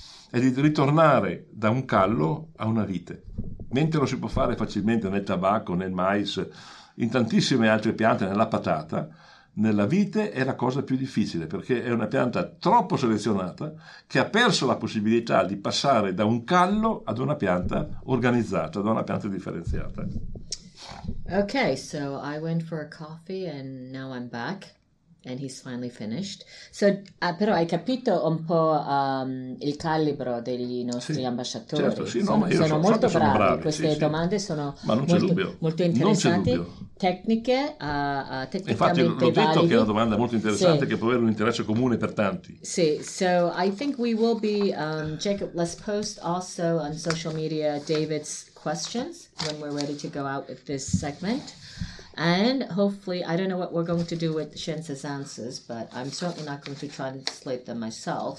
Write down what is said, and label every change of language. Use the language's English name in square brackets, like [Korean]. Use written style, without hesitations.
[Italian] È di ritornare da un callo a una vite, mentre lo si può fare facilmente nel tabacco, nel mais, in tantissime altre piante, nella patata. Nella vite è la cosa più difficile, perché è una pianta troppo selezionata che ha perso la possibilità di passare da un callo ad una pianta organizzata, da una pianta differenziata. [English] Okay, so I went for a coffee and now I'm back. And he's finally finished. [Italian] So, però hai capito un po' il calibro degli nostri ambasciatori? Certo, sì, sono molto bravi. Sono bravi. Queste domande sono molto interessanti, tecniche, tecnicamente. Infatti, l'ho detto validi. Che la domanda è molto interessante, sì. Che può avere un interesse comune per tanti. [English] Sì, so I think we will be, Jacob, let's post also on social media David's questions when we're ready to go out with this segment. And hopefully, I don't know what we're going to do with Shensa's answers, but I'm certainly not going to translate them myself.